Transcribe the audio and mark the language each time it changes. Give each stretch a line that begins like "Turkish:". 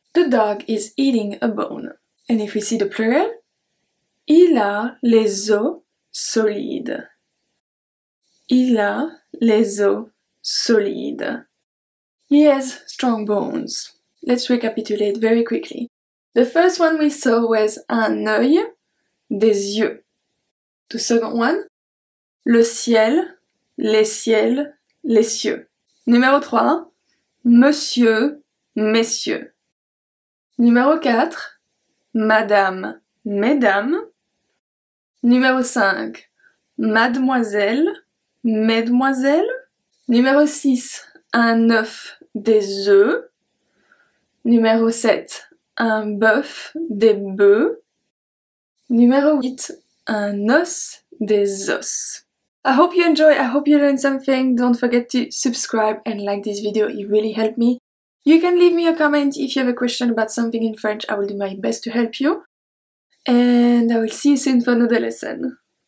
English: The dog is eating a bone. And if we see the plural,
French: il a les os solides. Il a les os solides.
English: He has strong bones. Let's recapitulate very quickly. The first one we saw was
French: un œil, des yeux.
English: The second one,
French: le ciel, les ciels, les cieux. Numéro 3, monsieur, messieurs. Numéro 4, madame, mesdames. Numéro 5, mademoiselle, mesdemoiselles. Numéro 6, un œuf, des œufs. Numéro 7, un bœuf, des bœufs. Numéro 8, un os, des os.
English: I hope you enjoy, I hope you learned something. Don't forget to subscribe and like this video, it really helped me. You can leave me a comment if you have a question about something in French, I will do my best to help you. And I will see you soon for another lesson.